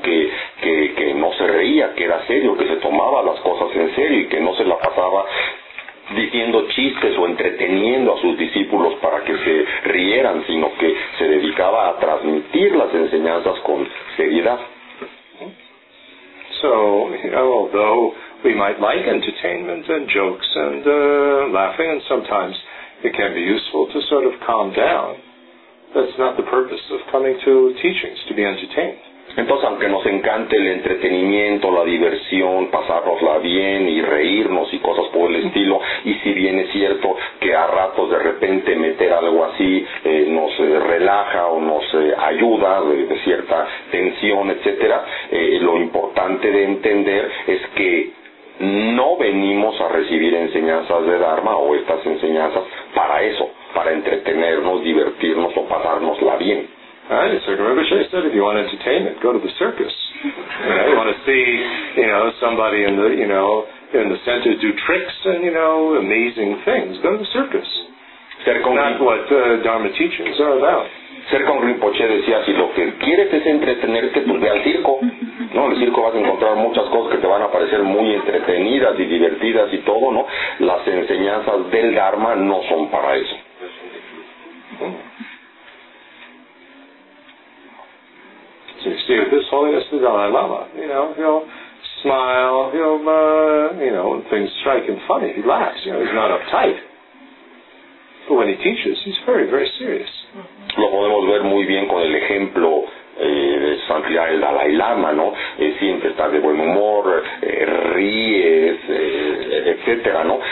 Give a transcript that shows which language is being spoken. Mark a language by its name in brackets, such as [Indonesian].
[Spanish] Que no se reía, que era serio, que se tomaba las cosas en serio y que no se la pasaba diciendo chistes o entreteniendo a sus discípulos para que se rieran, sino que se dedicaba a transmitir las enseñanzas con seriedad. [English] So, you know, although we might like entertainment and jokes and laughing, and sometimes it can be useful to sort of calm down, that's not the purpose of coming to teachings, to be entertained. [Spanish] Entonces, aunque nos encante el entretenimiento, la diversión, pasárnosla bien y reírnos y cosas por el estilo, y si bien es cierto que a ratos de repente meter algo así nos relaja o nos ayuda de cierta tensión, etcétera, lo importante de entender es que no venimos a recibir enseñanzas de Dharma o estas enseñanzas para eso, para entretenernos, divertirnos o pasárnosla bien. [English] Right, so remember she said, if you want entertainment, go to the circus. You know, you want to see, you know, somebody in the, you know, in the center do tricks and, you know, amazing things. Go to the circus. Not what Dharma teachings are about. [Spanish] Ser con Rinpoche decía, si lo que quieres es entretenerte, pues ve al circo. ¿No? En el circo vas a encontrar muchas cosas que te van a parecer muy entretenidas y divertidas y todo, ¿no? Las enseñanzas del Dharma no son para eso. [English] See, with His Holiness the Dalai Lama, you know, he'll smile, he'll, you know, when things strike him funny, he laughs, you know, he's not uptight. But when he teaches, he's very, very serious. [Spanish] Lo podemos ver muy bien con el ejemplo de San Clare el Dalai Lama, ¿no? Siempre está de buen humor, ríes, etcétera, ¿no?